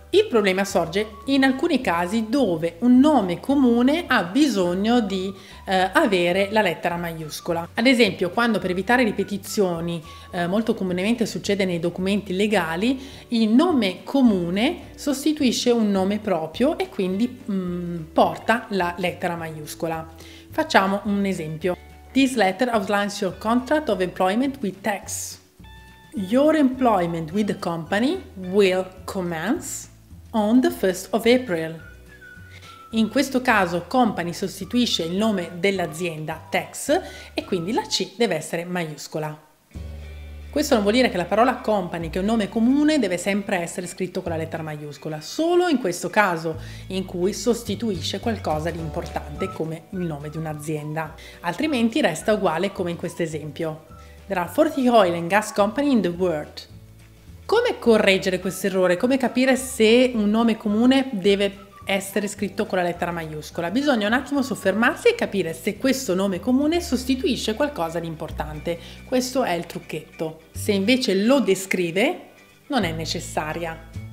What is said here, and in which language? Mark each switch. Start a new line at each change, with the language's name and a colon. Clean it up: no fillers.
Italian: Il problema sorge in alcuni casi dove un nome comune ha bisogno di avere la lettera maiuscola. Ad esempio, quando per evitare ripetizioni, molto comunemente succede nei documenti legali, il nome comune sostituisce un nome proprio e quindi porta la lettera maiuscola. Facciamo un esempio.
English: This letter outlines your contract of employment with tax. Your employment with the company will commence on the 1st of April.
Italian: In questo caso company sostituisce il nome dell'azienda tax e quindi la C deve essere maiuscola. Questo non vuol dire che la parola company, che è un nome comune, deve sempre essere scritto con la lettera maiuscola, solo in questo caso in cui sostituisce qualcosa di importante come il nome di un'azienda. Altrimenti resta uguale come in questo esempio.
English: There are 40 oil and gas companies in the world.
Italian: Come correggere questo errore? Come capire se un nome comune deve essere scritto con la lettera maiuscola? Bisogna un attimo soffermarsi e capire se questo nome comune sostituisce qualcosa di importante. Questo è il trucchetto. Se invece lo descrive, non è necessaria.